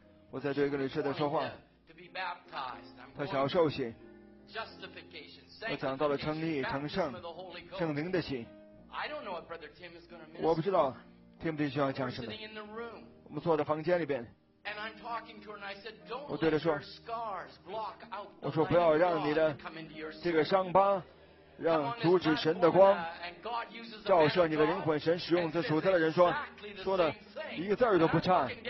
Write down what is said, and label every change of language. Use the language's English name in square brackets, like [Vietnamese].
[Chinese] 我在对一个女士在说话。 [English] To be baptized. [Chinese] 她想要受洗。 [English] Justification. [Chinese] 我讲到了称义、成圣、圣灵的洗。 [English] I don't know what Brother Tim is going to [Chinese] miss. 我不知道听不听需要讲什么。 [English] Sitting in the room. [Chinese] 我们坐在房间里边。 [English] And I'm talking to her, and I said, "Don't let your scars block out the light." [Chinese] 我说不要让你的这个伤疤让阻止神的光照射你的灵魂。神使用这属天的人说，说的一个字儿都不差。